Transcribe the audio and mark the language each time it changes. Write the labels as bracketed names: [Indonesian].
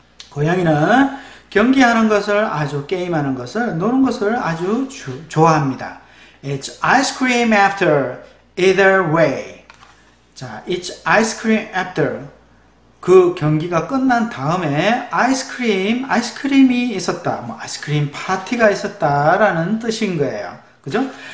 [Korean] 고양이는 경기하는 것을 아주 게임하는 것을 노는 것을 아주 좋아합니다. [English] It's ice cream after either way. 자, it's ice cream after. [Korean] 그 경기가 끝난 다음에 아이스크림이 있었다. 뭐, 아이스크림 파티가 있었다라는 뜻인 거예요. 그죠?